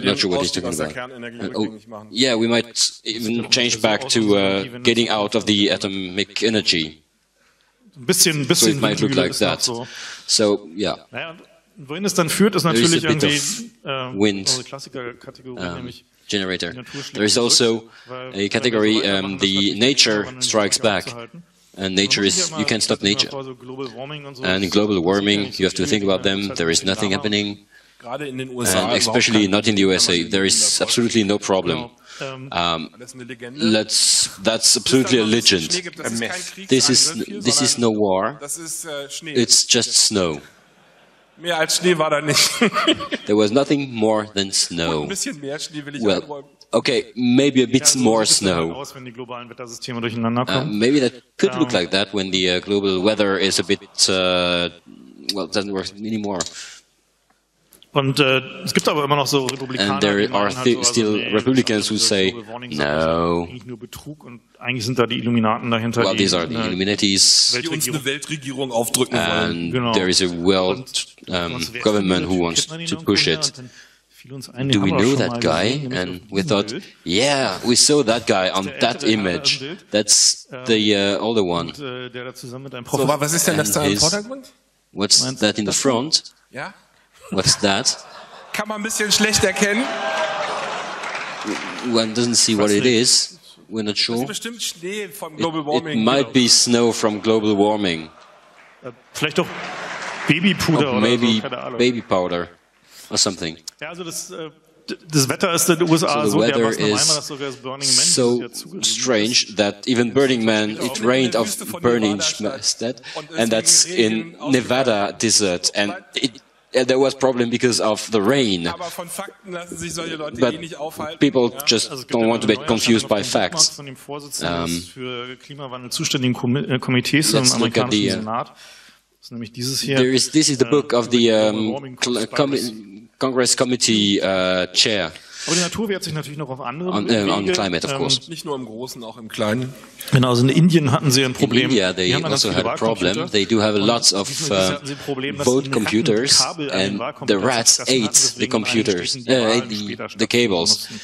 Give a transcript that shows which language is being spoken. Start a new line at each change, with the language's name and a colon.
English: not sure what he's talking about. Yeah, we might even change back to getting out of the atomic energy.
German: Ein bisschen
English: so it might look like that. So, yeah.
German: Naja, wohin es dann führt, ist natürlich irgendwie unsere Klassiker-Kategorie, nämlich
English: generator. There is also a category, the nature strikes back. And nature is, you can't stop nature. And global warming, you have to think about them, there is nothing happening. And especially not in the USA, there is absolutely no problem. That's absolutely a legend. A myth. This is no war. It's just snow.
German: Mehr als Schnee war da nicht.
English: There was nothing more than snow. Well, okay, maybe a bit more snow. Maybe that could look like that when the global weather is a bit, well, doesn't work anymore.
German: Und es gibt aber immer noch so Republikaner, die sagen, halt so, still also,
English: Republicans who say no.
German: Eigentlich nur Betrug, und eigentlich sind da die Illuminaten dahinter,
English: well, these are the Illuminatis,
German: die uns eine Weltregierung aufdrücken
English: and
German: wollen.
English: And there is a world government who wants to push it. Do we know that guy? And we thought, yeah, we saw that guy on that image. That's the older one.
German: So, was ist denn das da im Vordergrund?
English: What's that in the front? Yeah. What's that?
German: Kann man ein bisschen schlecht erkennen.
English: One doesn't see what it is. We're not sure.
German: Das ist bestimmt Schnee vom Global Warming.
English: It might be snow from global warming.
German: Vielleicht doch Babypuder oder so.
English: Maybe baby powder or something.
German: Ja, also das Das Wetter ist in den USA so dermaßen heimer, dass sogar das Burning Man
English: so strange that even Burning Man it rained of Burning Man and that's in Nevada desert and it there was problem because of the rain.
German: Aber von Fakten lassen sich solche Leute eh nicht aufhalten.
English: People just don't want to be confused by facts.
German: Von dem Vorsitzenden für Klimawandel zuständigen Komitees im amerikanischen Senat. Das ist nämlich dieses hier.
English: There is this is the book of the Congress Committee Chair.
German: Aber die Natur wehrt sich natürlich noch auf andere
English: On climate, of course.
German: Nicht nur im Großen, auch im Kleinen. Genau, also in Indien hatten sie ein Problem.
English: In India, they also had a problem. They do have lots of vote computers and the rats ate the computers, the cables.